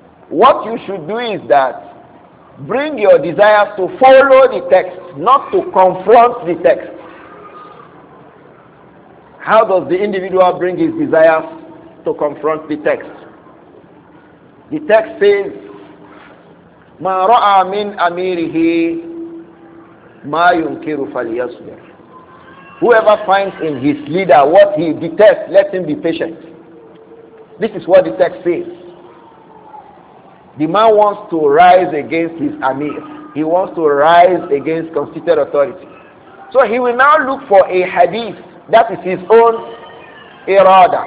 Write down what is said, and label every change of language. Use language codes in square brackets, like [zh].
[en] What you should do is that bring your desires to follow the text, not to confront the text. How does the individual bring his desires to confront the text? The text says, [ar] مَا رَأَى مِنْ أَمِيرِهِ مَا يُنْكِرُ فَلْيَصْبِرْ. [en] Whoever finds in his leader what he detests, let him be patient. This is what the text says. The man wants to rise against his amir. He wants to rise against constituted authority. So he will now look for a hadith that is his own irada.